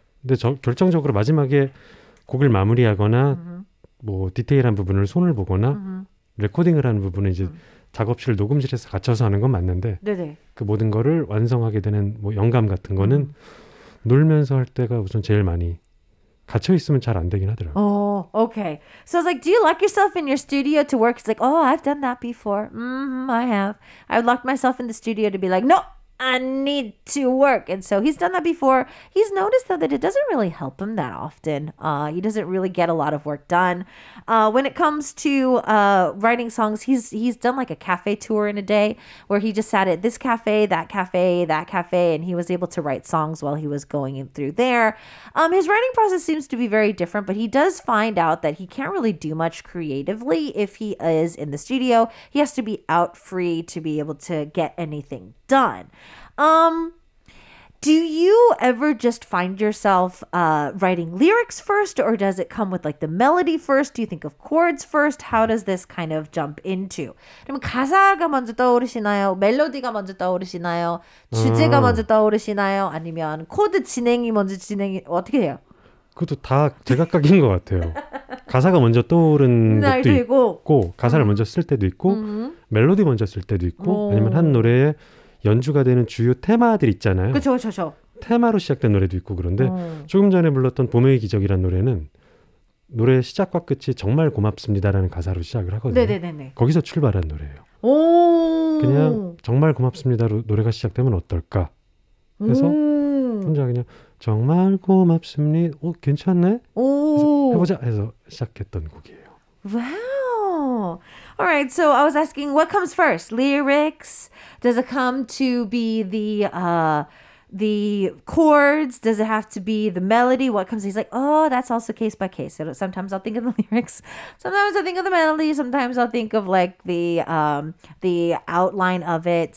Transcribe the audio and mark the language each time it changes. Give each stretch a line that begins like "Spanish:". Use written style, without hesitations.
Korean: 근데 결정적으로 마지막에 곡을 마무리하거나 음흠. 뭐 디테일한 부분을 손을 보거나 음흠. 레코딩을 하는 부분은 이제 작업실 녹음실에서 갇혀서 하는 건 맞는데 네네. 그 모든 거를 완성하게 되는 뭐 영감 같은 거는 놀면서 할 때가 우선 제일 많이 갇혀 있으면 잘 안 되긴 하더라고.
English: Oh, okay. So it's like, do you lock yourself in your studio to work? It's like, oh, I've done that before. Mm-hmm, I have. I locked myself in the studio to be like, no, I need to work. And so he's done that before. He's noticed, though, that it doesn't really help him that often. He doesn't really get a lot of work done. When it comes to writing songs, he's done like a cafe tour in a day where he just sat at this cafe, that cafe, that cafe, and he was able to write songs while he was going in through there. His writing process seems to be very different, but he does find out that he can't really do much creatively if he is in the studio. He has to be out free to be able to get anything done. Do you ever just find yourself writing lyrics first, or does it come with like the melody first? Do you think of chords first? How does this kind of jump into?
Korean: 그럼 가사가 먼저 떠오르시나요? 멜로디가 먼저 떠오르시나요? 주제가 먼저 떠오르시나요? 아니면 코드 진행이 먼저 진행이 어떻게 해요? 그것도 다 제각각인 것 같아요. 가사가 먼저 떠오른 것도 있고, 가사를 먼저 쓸 때도 있고, 멜로디 먼저 쓸 때도 있고, 아니면 한 노래에 연주가 되는 주요 테마들 있잖아요. 그렇죠, 그렇죠. 테마로 시작된 노래도 있고 그런데 조금 전에 불렀던 봄의 기적이란 노래는 노래의 시작과 끝이 정말 고맙습니다라는 가사로 시작을 하거든요. 네네네. 거기서 출발한 노래예요. 오. 그냥 정말 고맙습니다로 노래가 시작되면 어떨까? 그래서 혼자 그냥 정말 고맙습니다. 오, 괜찮네. 오. 그래서 해보자 해서 시작했던 곡이에요. 와.
English: All right, so I was asking, what comes first? Lyrics? Does it come to be the chords? Does it have to be the melody? What comes? He's like, oh, that's also case by case. So sometimes I'll think of the lyrics. Sometimes I think of the melody. Sometimes I'll think of like the outline of it.